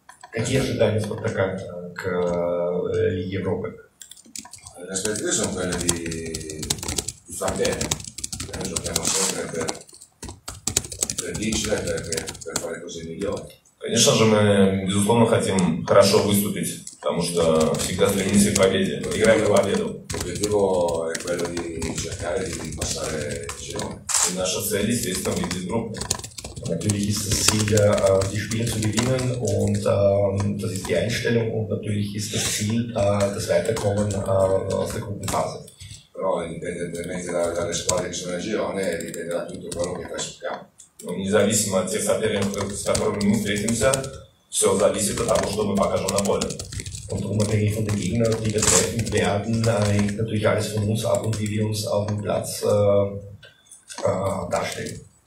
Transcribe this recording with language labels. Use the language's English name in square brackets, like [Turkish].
[Russian] Какие ожидания Спартака к Лиге Европы? [Italian] Le aspettative sono quelle di far bene, noi giochiamo sempre per vincere, per fare cose migliori. [Russian] Конечно же, мы, безусловно, хотим хорошо выступить, потому что всегда стремимся к победе. Мы играем на победу. И наша цель, естественно, выйти в группу. [German] Natürlich ist das Ziel, die Spiele zu gewinnen und das ist die Einstellung und natürlich ist das Ziel, das Weiterkommen aus der Gruppenphase. [Italian] Però indipendentemente dalle squadre che sono in girone, dipende da tutto quello che fa sul campo. [Russian] Независимо от тех соперников, с которыми мы встретимся, все зависит от того, что мы покажем на поле. [German] Und unabhängig von den Gegnern, die wir treffen werden, hängt natürlich alles von uns ab und wie wir uns auf dem Platz darstellen.